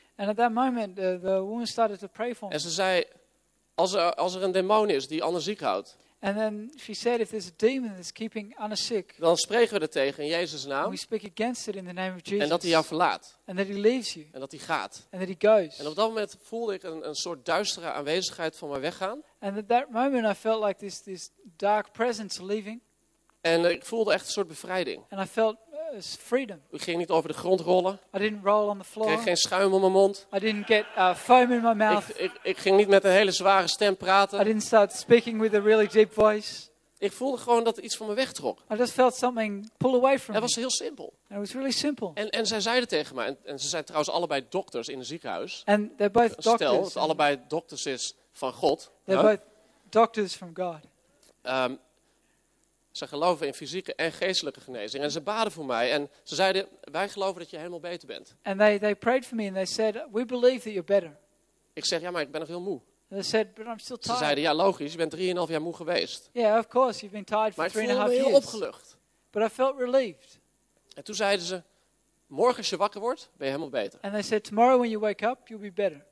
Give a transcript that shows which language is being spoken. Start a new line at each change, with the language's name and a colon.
English: And at that moment, the woman started to pray for me.
Dutch: En ze zei: als er een demon is die anderen ziek houdt.
English: And then she said, if there's a demon that's keeping Anna sick,
Dutch: dan spreken we er tegen in Jezus naam.
English: We speak against it in the name of Jesus.
Dutch: En dat hij jou verlaat.
English: And that he leaves you.
Dutch: En dat hij gaat.
English: And that he goes.
Dutch: En op dat moment voelde ik een soort duistere aanwezigheid van mij weggaan.
English: And at that moment I felt like this dark presence leaving.
Dutch: En ik voelde echt een soort bevrijding.
English: And I felt freedom.
Dutch: Ik ging niet over de grond rollen.
English: I didn't roll on the floor.
Dutch: Kreeg geen schuim op mijn mond.
English: I didn't get foam in my mouth.
Dutch: Ik ging niet met een hele zware stem praten.
English: I didn't start speaking with a really deep voice.
Dutch: Ik voelde gewoon dat er iets van me wegtrok.
English: I just felt something pull away from me.
Dutch: Dat was heel simpel.
English: And it was really simple.
Dutch: En zij zeiden tegen mij, en ze zijn trouwens allebei dokters in een ziekenhuis.
English: And they're both doctors.
Dutch: Stel dat allebei dokters is van God.
English: They're both doctors from God.
Dutch: Ze geloven in fysieke en geestelijke genezing. En ze baden voor mij. En ze zeiden: wij geloven dat je helemaal beter bent.
English: And they prayed for me and they said, we believe that you're better.
Dutch: Ik zeg: ja, maar ik ben nog heel moe.
English: And they said, but I'm still tired.
Dutch: Ze zeiden: ja, logisch, je bent 3,5 jaar moe geweest.
English: Yeah, of course, you've been tired for 3,5 years.
Dutch: Maar ik voelde me heel opgelucht.
English: But I felt relieved.
Dutch: En toen zeiden ze: morgen als je wakker wordt, ben je helemaal beter.
English: And they said, tomorrow when you wake up, you'll be better.